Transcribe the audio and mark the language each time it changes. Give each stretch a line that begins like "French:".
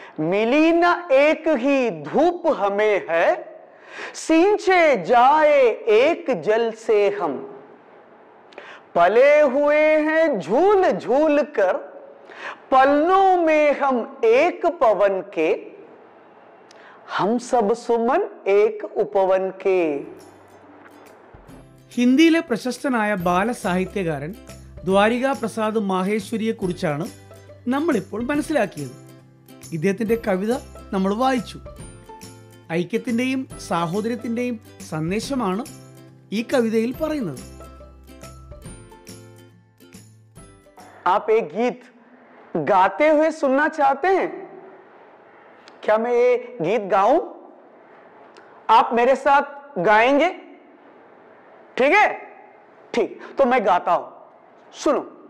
Hindi: मिली ना एक ही धूप हमें है सींचे जाए एक जल से हम पले हुए हैं झूल झूल कर पलनों में हम एक पवन के हम सब सुमन एक उपवन के
Malayalam: ഹിന്ദിയിലെ പ്രശസ്തനായ ബാലസാഹിത്യകാരൻ ദ്വാരികാ പ്രസാദ് മാഹേശ്വരിയെ കുറിച്ചാണ് നമ്മളിപ്പോൾ മനസ്സിലാക്കിയത് ഇദ്ദേഹത്തിന്റെ കവിത നമ്മൾ വായിച്ചു ഐക്യത്തിന്റെയും സാഹോദര്യത്തിന്റെയും സന്ദേശമാണ് ഈ കവിതയിൽ പറയുന്നത്
Hindi: आप एक गीत गाते हुए सुनना चाहते हैं क्या मैं ये गीत गाऊं आप मेरे साथ गाएंगे ठीक है ठीक तो मैं गाता हूं सुनो